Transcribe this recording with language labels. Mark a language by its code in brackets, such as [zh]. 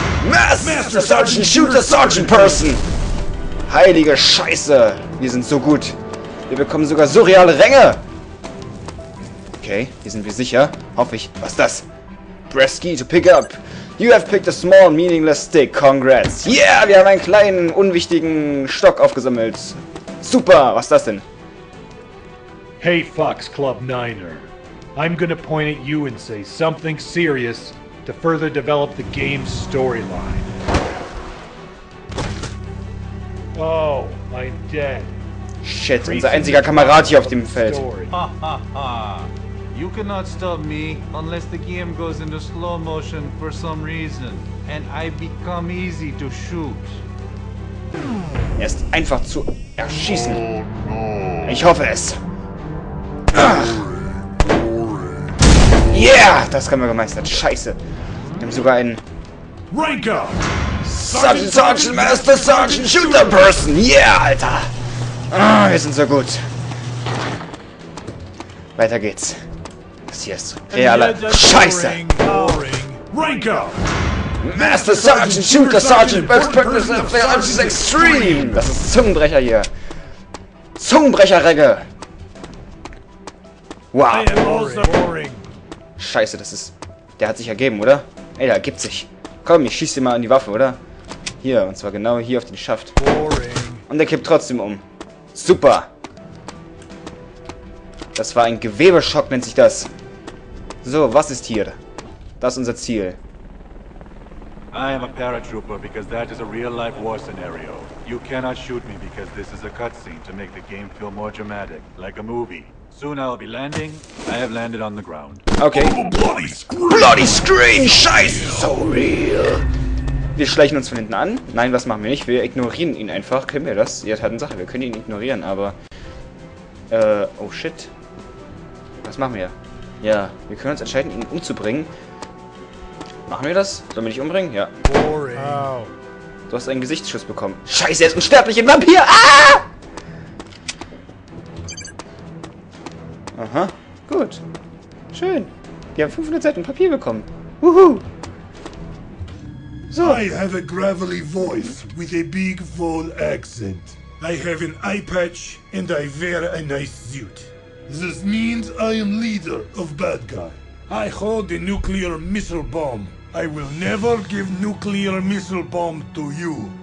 [en] Master Sergeant Shooter Sergeant Person! [de] Heilige Scheiße! Wir sind so gut. Wir bekommen sogar surreale Ränge! Okay, hier sind wir sicher. Hoffe ich. Was ist das? Press key to pick up. [en] You have picked a small, meaningless stick. Congrats. [de] Yeah, wir haben einen kleinen, unwichtigen Stock aufgesammelt. Super, was ist das denn? [en] Hey, Fox Club Niner. I'm gonna point at you and say something serious to further develop the game's storyline. Oh, I'm dead. [de] Shit, unser einziger Kamerad hier auf dem Feld. Ha, ha, ha. [en] You cannot stop me unless the game goes into slow motion for some reason and I become easy to shoot. [de] Er ist einfach zu erschießen. [en] Oh, no. [de] Ich hoffe es. [en] Boring. [de] Yeah, das haben wir gemeistert. Scheiße. Wir haben sogar einen [en] Rank up. Sergeant, Sergeant, Master Sergeant, Shooter Person. Yeah, Alter. Ah, wir sind so gut. [de] Weiter geht's. Yes. Hey, alle. Scheiße! [en] Rank up. Master Sergeant Shooter Sergeant Best Practice of the Archies Extreme! [de] Das ist Zungenbrecher hier! Zungenbrecher-Regge! Wow! Scheiße, das ist... Der hat sich ergeben, oder? Ey, der ergibt sich! Komm, ich schieß dir mal an die Waffe, oder? Hier, und zwar genau hier auf den Schaft. Und der kippt trotzdem um. Super! Das war ein Gewebeschock, nennt sich das. So, was ist hier? Das ist unser Ziel. [en] I am a paratrooper because that is a real life war scenario. You cannot shoot me because this is a cutscene to make the game feel more dramatic, like a movie. Soon I will be landing. I have landed on the ground. Okay. Oh, bloody screen! Bloody screen! Scheiße! So real! [de] Wir schleichen uns von hinten an. Nein, was machen wir nicht? Wir ignorieren ihn einfach. Können wir das? Ja, Tatsache, wir können ihn ignorieren, aber. Oh shit. Was machen wir? Ja, wir können uns entscheiden, ihn umzubringen. Machen wir das? Sollen wir dich umbringen? Ja. [en] Boring. [de] Du hast einen Gesichtsschuss bekommen. Scheiße, er ist unsterblich, ein Vampir! Ah! Schön. Wir haben 500 Seiten Papier bekommen. Wuhu. So. [en] I have a gravelly voice with a big, full accent. I have an eye patch and I wear a nice suit. This means I am leader of bad guy. I hold the nuclear missile bomb. I will never give nuclear missile bomb to you.